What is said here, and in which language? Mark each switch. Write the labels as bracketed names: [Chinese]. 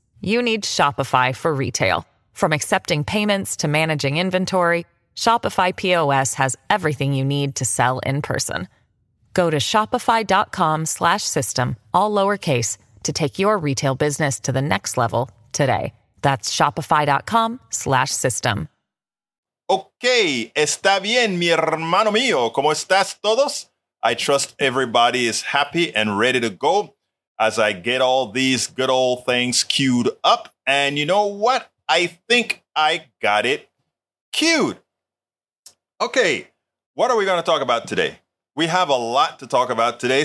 [English] You need Shopify for retail. From accepting payments to managing inventory, Shopify POS has everything you need to sell in person. Go to shopify.com/system, all lowercase, to take your retail business to the next level today. That's shopify.com/system. [Spanish] Okay, está bien, mi hermano mío. ¿Cómo estás todos? [English] I trust everybody is happy and ready to go as I get all these good old things queued up. And you know what? I think I got it queued. Okay, what are we going to talk about today? We have a lot to talk about today.